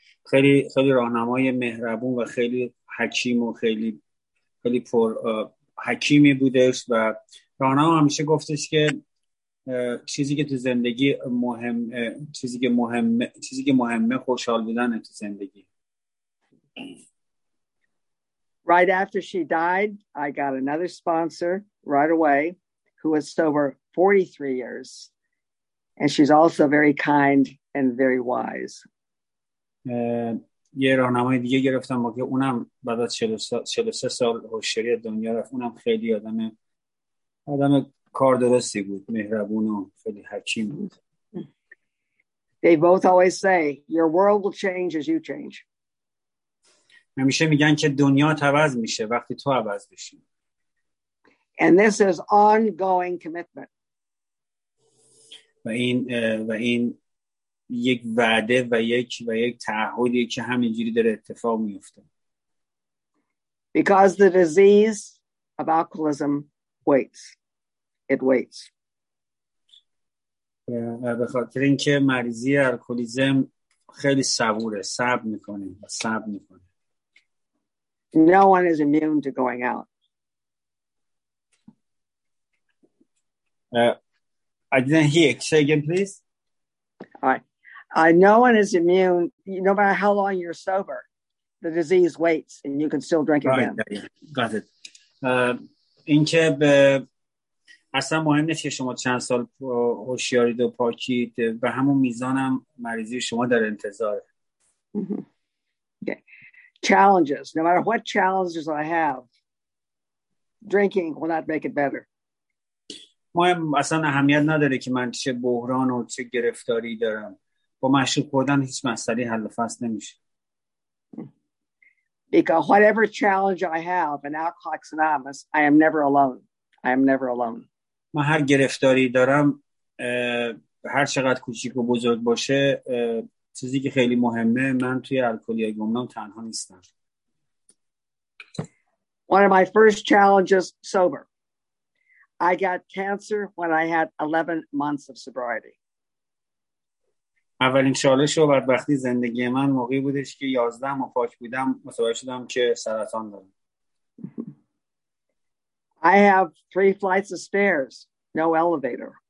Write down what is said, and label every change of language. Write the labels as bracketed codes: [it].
[fa] خیلی خیلی راهنمای مهربون و خیلی حکیم و خیلی خیلی پر حکیمی بودش و راهنما همیشه گفتش که چیزی که تو زندگی مهم چیزی که مهمه خوشحال بودن تو زندگی. [en] Right after she died, I got another sponsor right away who was sober 43 years. And she's also very kind and very wise. [fa] یه راهنمای دیگه گرفتم با که اونم بعد از 43 سال هوشیاری دنیا رفت. اونم خیلی آدم کار درستی بود. مهربون و خیلی حکیم بود. [en] They both always say, your world will change as you change. [fa] همیشه میگن که دنیا عوض میشه وقتی تو عوض بشی. [en] And this is ongoing commitment. [fa] و این یک وعده و یک تعهدی که همینجوری داره اتفاق میفته. [en] Because the disease of alcoholism waits. It waits. [fa] به خاطر اینکه مریضی الکلیزم خیلی صبوره، صبر میکنه. [en] No one is immune to going out. I didn't hear. Say again, please. All right. No one is immune. No matter how long you're sober, the disease waits and you can still drink right, again. Got it. [fa] این که به اصلا مهم نیست که شما چند سال هوشیارید و پاکید، به همون میزان هم مریضی شما در انتظاره. [en] Okay. Challenges. No matter what challenges I have, drinking will not make it better. [fa] مهم اصلا اهمیت نداره که من چه بحران و چه گرفتاری دارم. با مشروب خوردن هیچ مسئله حل و فصل نمیشه. [en] Because whatever challenge I have in Alcoholics Anonymous, I am never alone. I am never alone. [fa] من هر گرفتاری دارم، هر چقدر کوچیک و بزرگ باشه، چیزی که خیلی مهمه، من توی الکلیای گمنام تنها نیستم. [en] One of my first challenges, sober. I got cancer when I had 11 months of sobriety. [fa] اولین چالش و بدبختی زندگی من موقعی بودش که 11 ماه پاک بودم متوجه شدم که سرطان دارم. [en] I have 3 flights of stairs, no elevator.